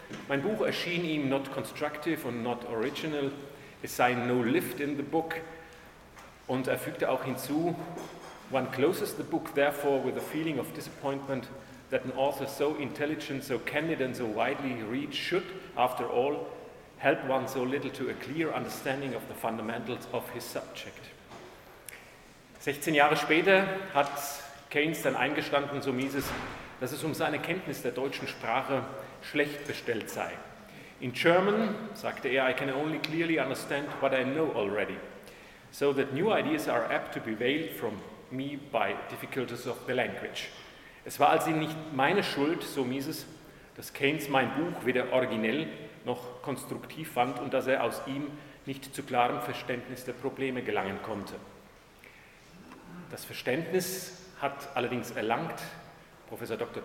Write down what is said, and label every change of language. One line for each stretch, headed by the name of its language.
German: Mein Buch erschien ihm
English: not constructive und not original,
German: es sei
English: no lift in the book,
German: und er fügte auch hinzu,
English: one closes the book therefore with a feeling of disappointment that an author so intelligent, so candid and so widely read should, after all, help one so little to a clear understanding of the fundamentals of his subject.
German: 16 Jahre später hat Keynes dann eingestanden, so Mises, dass es um seine Kenntnis der deutschen Sprache schlecht bestellt sei.
English: In German,
German: sagte er,
English: I can only clearly understand what I know already, so that new ideas are apt to be veiled from me by difficulties of the language.
German: Es war also nicht meine Schuld, so Mises, dass Keynes mein Buch weder originell noch konstruktiv fand und dass er aus ihm nicht zu klarem Verständnis der Probleme gelangen konnte. Das Verständnis hat allerdings erlangt Professor Dr.